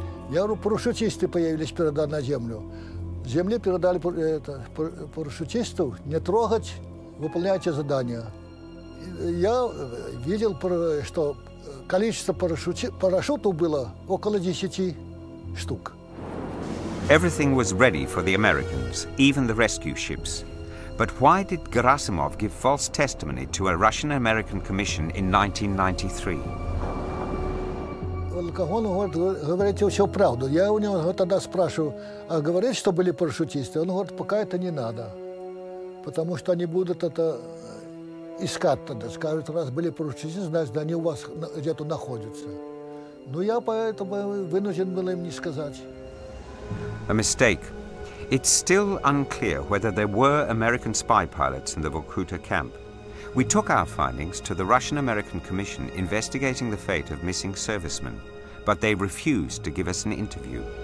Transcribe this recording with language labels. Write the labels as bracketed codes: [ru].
[ru] Я говорю, парашютисты появились, передали на землю. Земли передали парашютистов не трогать, выполняйте задание. Я видел, что количество парашютов было около 10 штук. [en] Everything was ready for the Americans, even the rescue ships. But why did Gerasimov give false testimony to a Russian-American commission in 1993? [ru] Он говорит, все правду. Я у него тогда спрашиваю, а говорит, что были парашютисты? Он говорит, пока это не надо, потому что они будут это искать тогда. Скажут, раз были парашютисты, значит, они у вас где-то находятся. Но я поэтому вынужден был им не сказать. [en] A mistake. It's still unclear whether there were American spy pilots in the Vorkuta camp. We took our findings to the Russian-American Commission investigating the fate of missing servicemen, but they refused to give us an interview.